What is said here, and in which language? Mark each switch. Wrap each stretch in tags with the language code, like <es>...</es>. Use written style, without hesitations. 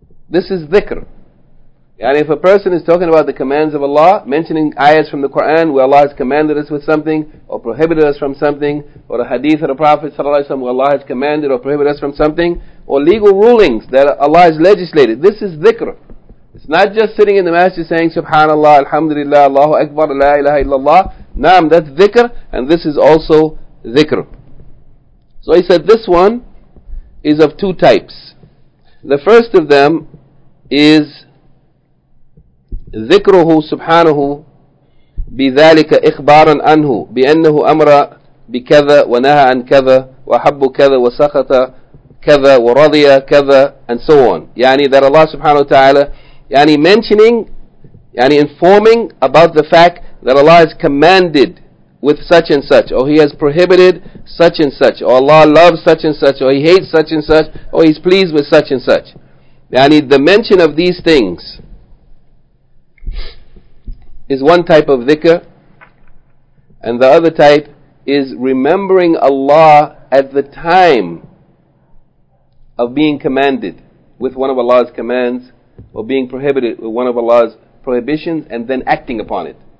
<en>This is dhikr. And if a person is talking about the commands of Allah, mentioning ayahs from the Quran where Allah has commanded us with something or prohibited us from something, or a hadith of the Prophet ﷺ where Allah has commanded or prohibited us from something, or legal rulings that Allah has legislated, this is dhikr. It's not just sitting in the masjid saying subhanallah, alhamdulillah, allahu akbar, la ilaha illallah. Naam, that's dhikr, and this is also dhikr. So he said this one is of two types. The first of them is</en> <ar>ذِكْرُهُ سُبْحَانَهُ بِذَلِكَ إِخْبَارًا أَنْهُ بِأَنَّهُ أَمْرَ بِكَذَا وَنَهَا عَنْ كَذَا وَحَبُّ كَذَا وَسَخَطَ كَذَا وَرَضِيَ كَذَا</ar> <en>and so on. Yani that Allah subhanahu wa ta'ala, yani mentioning, yani informing about the fact that Allah has commanded with such and such, or he has prohibited such and such, or Allah loves such and such, or he hates such and such, or he's pleased with such and such. Yani the mention of these things is one type of dhikr, and the other type is remembering Allah at the time of being commanded with one of Allah's commands, or being prohibited with one of Allah's prohibitions, and then acting upon it.</en>